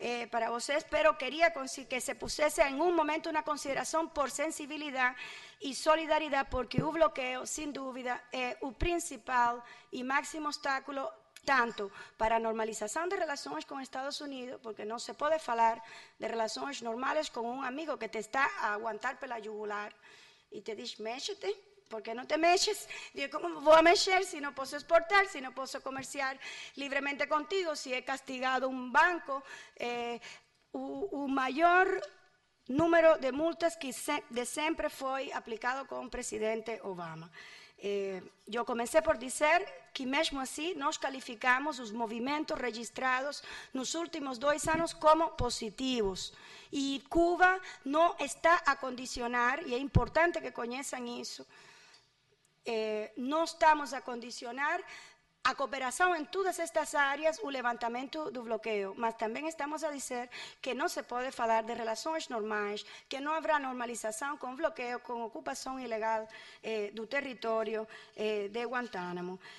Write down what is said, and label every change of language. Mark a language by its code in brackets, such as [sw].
[pt] Para vocês, pero queria que se pusesse em um momento uma consideração por sensibilidade e solidariedade, porque o bloqueio, sem dúvida, é o principal e máximo obstáculo tanto para a normalização de relações com Estados Unidos, porque não se pode falar de relações normais com um amigo que te está a aguantar pela jugular e te diz, mexe-te. [es] ¿Por qué no te mexes? Digo, ¿cómo voy a mexer si no puedo exportar, si no puedo comerciar libremente contigo, si he castigado un banco? Un mayor número de multas que de siempre fue aplicado con el presidente Obama. Yo comencé por decir que, mesmo así, nos calificamos los movimientos registrados en los últimos 2 años como positivos. Y Cuba no está a condicionar, y es importante que conozcan eso, [pt] não estamos a condicionar a cooperação em todas estas áreas, o levantamento do bloqueio, mas também estamos a dizer que não se pode falar de relações normais, que não haverá normalização com bloqueio, com ocupação ilegal do território de Guantánamo.